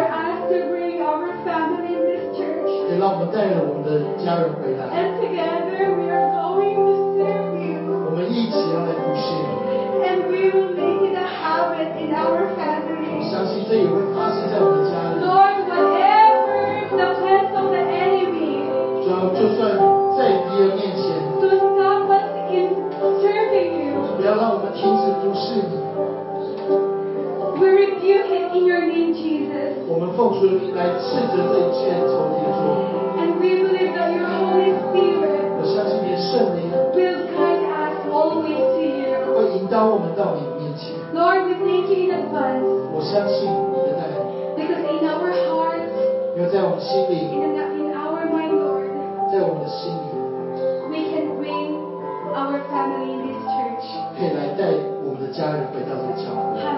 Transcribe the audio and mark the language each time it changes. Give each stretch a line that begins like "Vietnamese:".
English: For us to bring our family in this church.
Chinese: 也让我们带了我们的家人回来。
English: And together we are going to serve you.
Chinese: 我们一起要来服侍你。
English: And we will make it a habit in our family.
Chinese: 我相信这也会发生在我们的家里。
English: Lord, whatever the plans of the enemy.
Chinese: 主要就算在敌人面前。
English: To stop us in serving you.
Chinese: 主不要让我们停止服侍你。
English: We rebuke it in your name, Jesus.
Chinese: 我们奉主的名来斥责这一切仇敌说。
English: And we believe that your Holy Spirit.
Chinese: 我相信你的圣灵。
English: Will guide us always to you.
Chinese: 会引导我们到你面前。
English: Lord, we thank you in advance.
Chinese: 我相信你的带领。
English: Because in our hearts.
Chinese: 因为在我们心里。
English: In our mind, Lord.
Chinese: 在我们的心里。
English: We can bring our family in this church.
Chinese: 可以来带我们的家人回到这个教会。